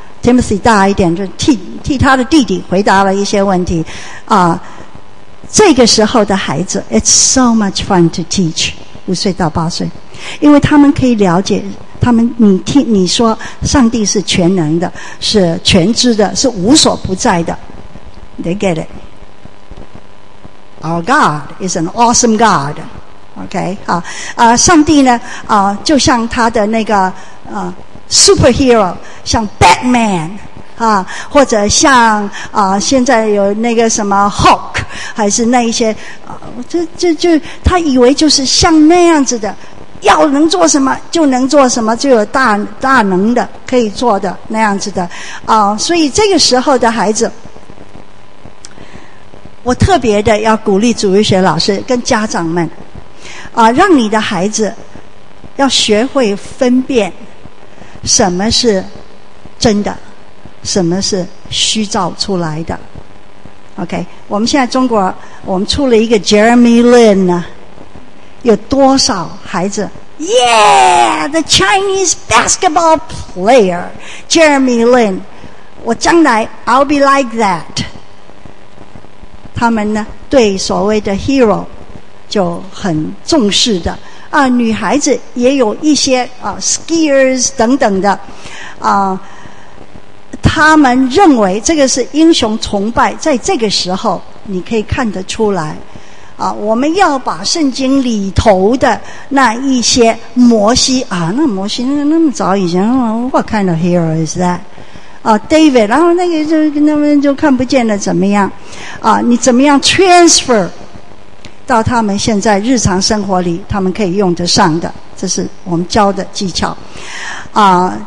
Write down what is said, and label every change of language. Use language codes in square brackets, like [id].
[zh] Timothy 大一点，就替他的弟弟回答了一些问题这个时候的孩子 [en] It's so much fun to teach [zh] 五岁到八岁，因为他们可以了解他们，你说上帝是全能的，是全知的，是无所不在的。 [en] They get it. Our God is an awesome God. [zh] OK 上帝呢就像他的那个superhero, 像 Batman, 或者像现在有那个什么 Hulk, 还是那一些就他以为就是像那样子的，要能做什么就能做什么，就有大能的可以做的那样子的所以这个时候的孩子我特别的要鼓励主日学老师跟家长们啊，让你的孩子要学会分辨什么是真的，什么是虚造出来的。 OK， 我们现在中国我们出了一个 Jeremy Lin 呢，有多少孩子 [en] Yeah the Chinese basketball player Jeremy Lin， [zh] 我将来 [en] I'll be like that。 [zh] 他们呢对所谓的 hero 就很重视的啊，女孩子也有一些啊 skiers 等等的啊，他们认为这个是英雄崇拜。在这个时候你可以看得出来啊，我们要把圣经里头的那一些摩西啊，那摩西那么早以前 [en] What kind of hero is that [zh] 啊 David 然后那个就那边就看不见了怎么样啊，你怎么样 transfer 到他们现在日常生活里他们可以用得上的，这是我们教的技巧啊。